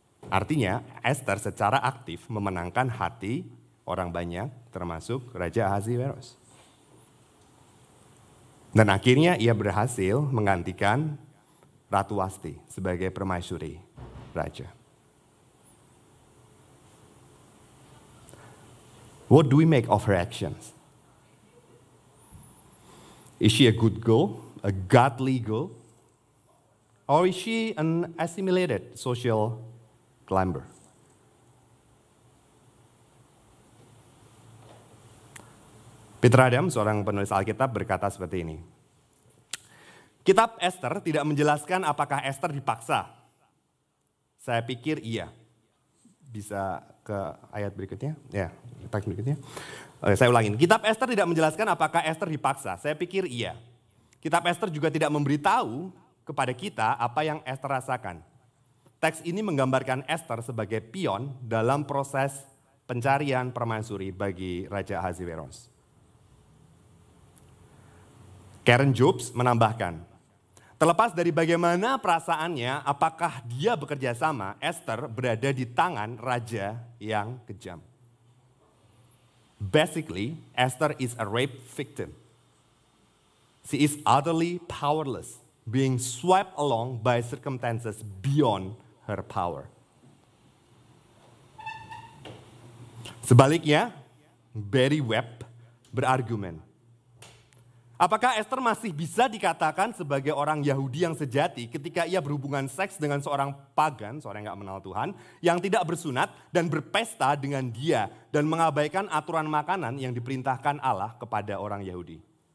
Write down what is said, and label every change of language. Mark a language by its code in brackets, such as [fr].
[id] Artinya Esther secara aktif memenangkan hati orang banyak termasuk Raja Ahasuerus. Dan akhirnya ia berhasil menggantikan Ratu Wasti sebagai permaisuri raja. [en] What do we make of her actions? Is she a good girl, a godly girl? Or is she an assimilated social climber? [id] Peter Adam, seorang penulis Alkitab, berkata seperti ini. Kitab Esther tidak menjelaskan apakah Esther dipaksa Saya pikir iya. Bisa ke ayat berikutnya? Ya, ayat berikutnya. Oke, saya ulangin. Kitab Ester tidak menjelaskan apakah Ester dipaksa. Saya pikir iya. Kitab Ester juga tidak memberitahu kepada kita apa yang Ester rasakan. Teks ini menggambarkan Ester sebagai pion dalam proses pencarian permaisuri bagi Raja Ahasuerus. Karen Jobs menambahkan, terlepas dari bagaimana perasaannya, apakah dia bekerja sama, Ester berada di tangan raja yang kejam. [en] Basically, Ester is a rape victim. She is utterly powerless, being swept along by circumstances beyond her power. [id] Sebaliknya, Barry Webb berargumen, apakah Ester masih bisa dikatakan sebagai orang Yahudi yang sejati ketika ia berhubungan seks dengan seorang pagan, seorang yang gak mengenal Tuhan, yang tidak bersunat dan berpesta dengan dia dan mengabaikan aturan makanan yang diperintahkan Allah kepada orang Yahudi?